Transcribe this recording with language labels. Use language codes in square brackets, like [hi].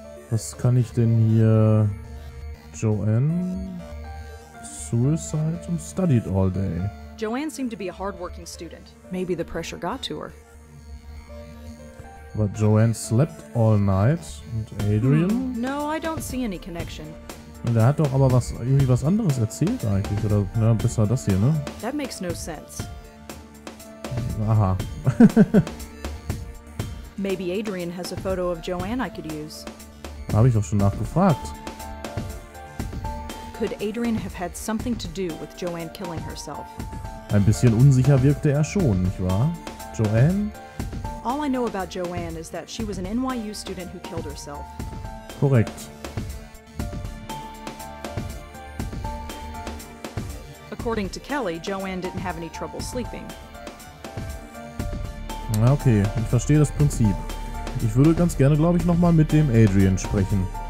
[de] Was kann ich denn hier? Joanne? [en] Suicide and studied all day. Joanne seemed to be a hardworking student. Maybe the pressure got to her. But Joanne slept all night. And Adrian? No, I don't see any connection. [de] Der hat doch aber was, irgendwie was anderes erzählt eigentlich. Oder na, besser das hier, ne? [en] That makes no sense. Aha. Maybe Adrian has a photo of Joanne I could use. [de] Habe ich doch schon nachgefragt. [en] Could Adrian have had something to do with Joanne killing herself? [de] Ein bisschen unsicher wirkte er schon, nicht wahr? [en] Joanne? All I know about Joanne is that she was an NYU student who killed herself. [de] Korrekt. [en] According to Kelly, Joanne didn't have any trouble sleeping. [de] Okay, ich verstehe das Prinzip. Ich würde ganz gerne, glaube ich, nochmal mit dem Adrian sprechen.